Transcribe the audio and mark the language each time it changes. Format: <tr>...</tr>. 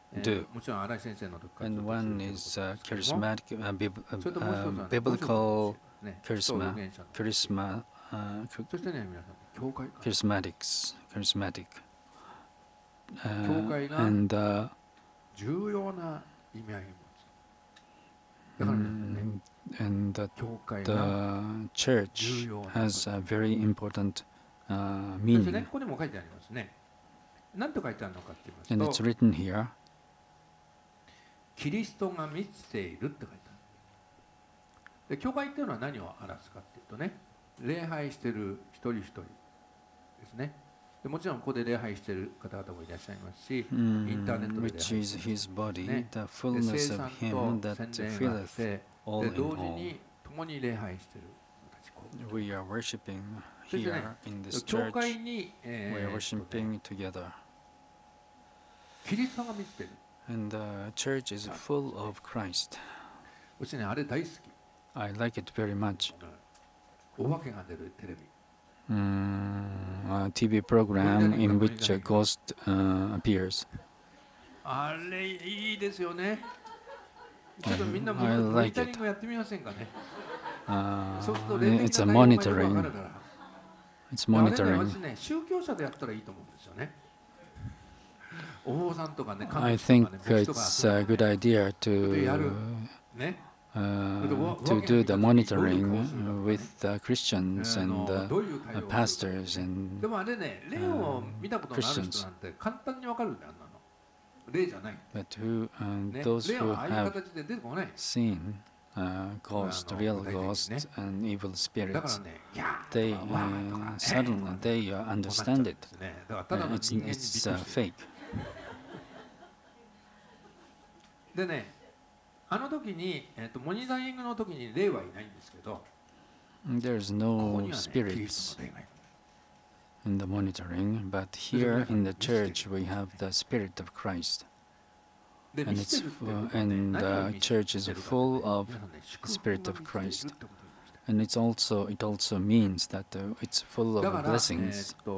<en>Do. And one is charismatic, biblical charismatics, and</en> <ja>意味合いを持つ。だからね、</ja> <en>And that the church has a very important meaning.</en> <ja>ここにも書いてありますね。何と書いてあるのかって言いますと、</ja> <en>And it's written here.</en> <ja>キリストが満ちているって書いてある。で、教会っていうのは何を表すかっていうとね、礼拝してる一人一人ですね。で、もちろんここで礼拝してる方々もいらっしゃいますし、インターネットで礼拝してる、ね。</ja> <en>Which is his body, the fullness of him that filleth.</en> <ja>で同時に共に礼拝してる私こう。</ja> <en>We are worshiping here in this church.</en> <ja>教会に、</ja> <en>We are worshiping together.</en> <ja>キリストが満ちてる。</ja> <en>And the church is full of Christ.</en> <ja>私ねあれ大好き。</ja> <en>I like it very much.</en> <ja>お化けが出るテレビ。</ja> <en>A TV program in which a ghost appears.</en> <ja>あれいいですよね。ちょっとみんなモニタリングやってみませんかね。そうすると霊的な内容も分かるから。</ja> <en>It's monitoring.</en> <ja>あれね、私ね、宗教者でやったらいいと思うんですよね。お坊さんとかね、</ja> <en>I think it's a good idea to to do the monitoring with the Christians and the pastors and</en> <ja>でもあれね、霊を見たことのある人なんて簡単にわかるんだよ。</ja> <en>But who, those who have seen ghost, real ghost, and evil spirits, they suddenly they understand it. It's fake.</en> <ja>でね、あの時にモニタリングの時に霊はいないんですけど、</ja> <en>There's no spirits. In the monitoring, but here in the church we have the Spirit of Christ, and it's and the church is full of Spirit of Christ, and it's also it also means that it's full of blessings.</en>